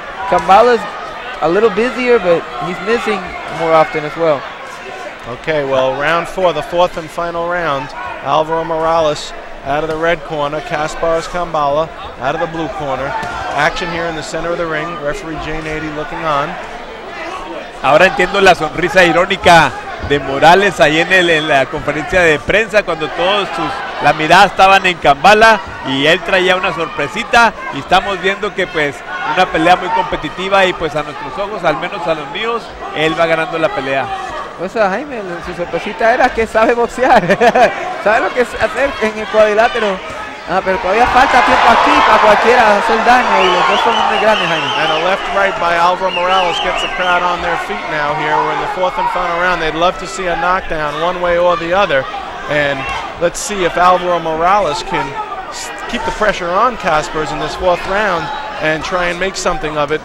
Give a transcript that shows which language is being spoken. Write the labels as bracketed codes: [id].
[en] Kambala's a little busier, but he's missing more often as well. Okay, well, round four, the fourth and final round. Alvaro Morales out of the red corner. Kaspars Kambala out of the blue corner. Action here in the center of the ring. Referee Jane 80 looking on. [es] Ahora entiendo la sonrisa irónica de Morales ahí en la conferencia de prensa cuando todos sus la mirada estaban en Kambala y él traía una sorpresita y estamos viendo que pues una pelea muy competitiva y pues a nuestros ojos, al menos a los míos, él va ganando la pelea. Pues a Jaime, su sorpresita era que sabe boxear. Sabe lo que es hacer en el cuadrilátero. Ah, pero todavía falta tiempo aquí para cualquiera hacer daño. Y los dos son muy grandes, Jaime. [en] And a left-right by Alvaro Morales gets the crowd on their feet now here. We're in the fourth and final round. They'd love to see a knockdown one way or the other. And let's see if Alvaro Morales can keep the pressure on Kaspars in this fourth round and try and make something of it.